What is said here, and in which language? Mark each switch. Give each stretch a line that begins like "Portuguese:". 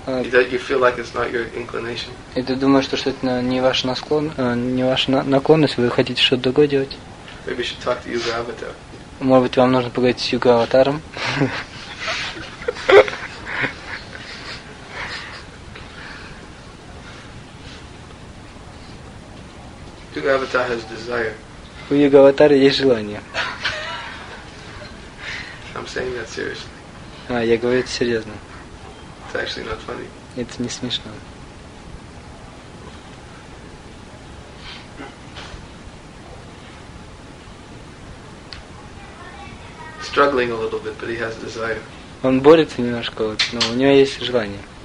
English: That you feel like it's not your inclination.
Russian: И ты думаешь, что это не ваша наклонность, вы хотите что-то другое делать.
English: Maybe you should talk to Yuga Avatar.
Russian: Может быть, вам нужно поговорить с Юга Аватаром.
English: Yuga Avatar has desire.
Russian: У Юга Аватара есть желание.
English: I'm saying that seriously.
Russian: А, я говорю это серьезно.
English: It's actually not funny.
Russian: Это не смешно.
English: Struggling a little bit, but he has desire.
Russian: Он борется немножко, но у него есть желание.